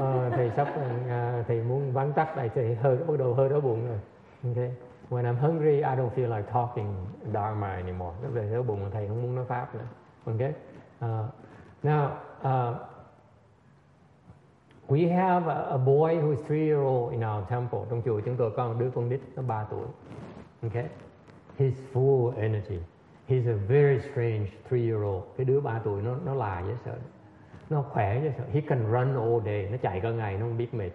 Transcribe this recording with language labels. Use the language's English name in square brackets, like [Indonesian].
[Vietnamese] Thầy sắp thầy muốn vắn tắt lại thầy hơi đói bụng rồi. [English] Okay. When I'm hungry, I don't feel like talking dharma anymore. [Vietnamese] Nó về đói bụng thầy không muốn nói pháp nữa. [English] Okay. Now we have a boy who is 3-year-old in our temple. [Vietnamese] Trong chùa chúng tôi có một đứa con nít nó 3 tuổi. [English] Okay. He's full of energy. He's a very strange 3-year-old. [Vietnamese] Cái đứa 3 tuổi nó lạ dễ sợ. Nó khỏe chứ sao? [English] He can run all day. [Vietnamese] Nó chạy cả ngày, nó không biết mệt.